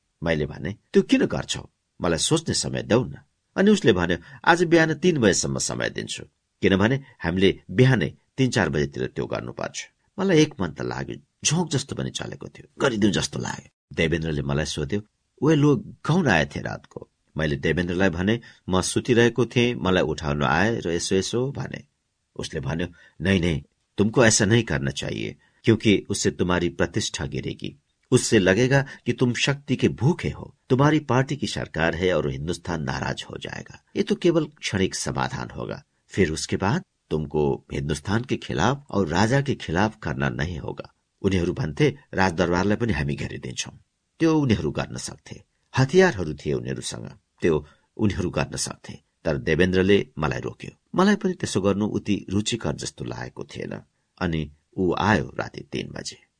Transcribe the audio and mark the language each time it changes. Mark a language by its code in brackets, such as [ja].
[ne] मैले भने, त्यो किन गर्छौ, मलाई सोच्ने समय देऊ न। अनि उसले भन्यो, आज बिहान 3 बजेसम्म समय दिन्छु, किनभने हामीले बिहानै 3-4 बजेतिर त्यो गर्नुपर्छ। मलाई एक मन त लाग्यो, झोक जस्तो पनि चलेको थियो, गरिदिउँ जस्तो लाग्यो। देवेन्द्रले मलाई सोध्यो, ओए लो गाउन आए थिए रातको? मैले देवेन्द्रलाई भने, म सुतिरहेको थिएँ, मलाई उठाउन आए र यसो यसो भने। उसले भन्यो, [hi] नै तुमको ऐसा नहीं करना चाहिए, क्योंकि उससे तुम्हारी प्रतिष्ठा गिरेगी, उससे लगेगा कि तुम शक्ति के भूखे हो, तुम्हारी पार्टी की सरकार है और हिंदुस्तान नाराज हो जाएगा। ये तो केवल क्षणिक समाधान होगा, फिर उसके बाद तुमको हिंदुस्तान के खिलाफ और राजा के खिलाफ करना नहीं होगा। [ne] उनीहरू भन्थे राजदरबारलाई पनि हामी घेरिदिन्छौं, त्यो उनीहरू गर्न सक्थे, हतियारहरू थिए उनीहरूसँग, त्यो उनीहरू गर्न सक्थे, तर देवेन्द्रले मलाई रोक्यो। मलाई पनि त्यसो गर्नु उति रुचिकर जस्तो लागेको थिएन। अनि ऊ आयो राति 3 बजे।